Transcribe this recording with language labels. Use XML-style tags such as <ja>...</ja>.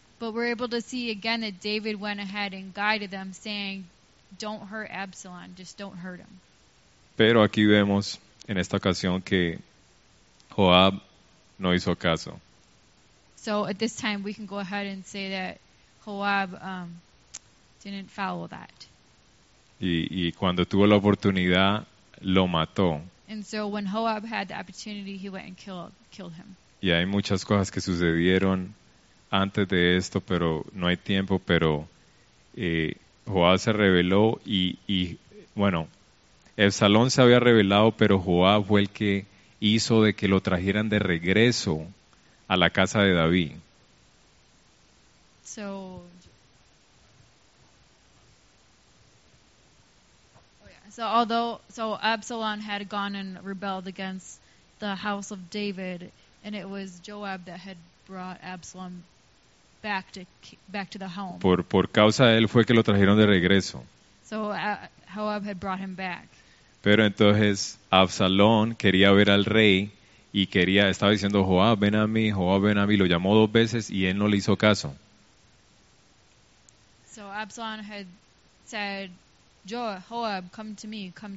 <en>But we're able to see again that David went ahead and guided them, saying, don't hurt Absalom, just don't hurt him.</en> <es>Pero aquí vemos en esta ocasión que Joab no hizo caso.</es> <en>So at this time we can go ahead and say that Joab didn't follow that.</en> <es>Y cuando tuvo la oportunidad, lo mató.</es> <en>And so when Joab had the opportunity, he went and killed him.</en> <es>Y hay muchas cosas que sucedieron antes de esto, pero no hay tiempo, pero Joab se rebeló y bueno, Absalón se había rebelado, pero Joab fue el que hizo de que lo trajeran de regreso a la casa de David.</es> <en>So, although Absalom had gone and rebelled against the house of David, and it was Joab that had brought Absalom back to the home.</en> <es>Por causa de él fue que lo trajeron de regreso.</es> <en>So Joab had brought him back.</en> <es>Pero entonces Absalón quería ver al rey y estaba diciendo Joab ven a mí, lo llamó dos veces y él no le hizo caso.</es> <en>So Absalom had said, Joab, come to me.</en>